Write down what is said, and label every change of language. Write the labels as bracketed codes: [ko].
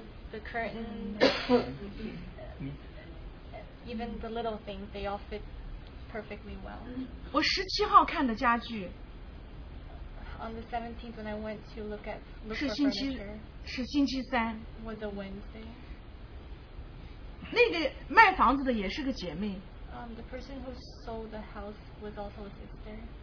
[en] The curtain, even the little things, they all fit perfectly well. [zh] 我十七号看的家具。 [en] On the 17th, when I went to look at the furniture, [zh] 是星期三。 [en] Was a Wednesday. [zh] 那个卖房子的也是个姐妹。 [en] The person who sold the house was also a sister.